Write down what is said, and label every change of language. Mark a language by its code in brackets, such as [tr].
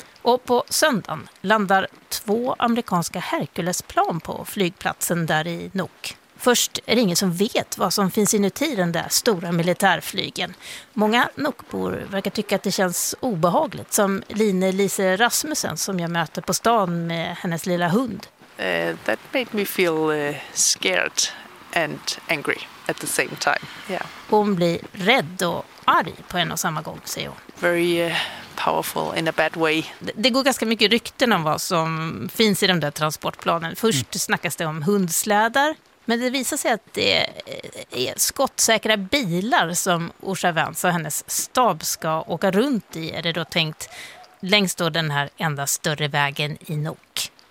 [sv] Och på söndagen landar två amerikanska Herculesplan på flygplatsen där i Nuuk. Först är det ingen som vet vad som finns inuti den där stora militärflygen. Många Nuukbor verkar tycka att det känns obehagligt, som Line Lise Rasmussen som jag möter på stan med hennes lilla hund. [en] That made me feel scared and angry at the same time. Yeah. [sv] Hon blir rädd och arg på en och samma gång, säger hon. [en] Very powerful in a bad way. [sv] Det går ganska mycket rykten om vad som finns i de där transportplanen. Först snackas det om hundslädar, men det visar sig att det är skottsäkra bilar som Orsa Vance och hennes stab ska åka runt i, är det då tänkt, längs då den här enda större vägen i Nuuk.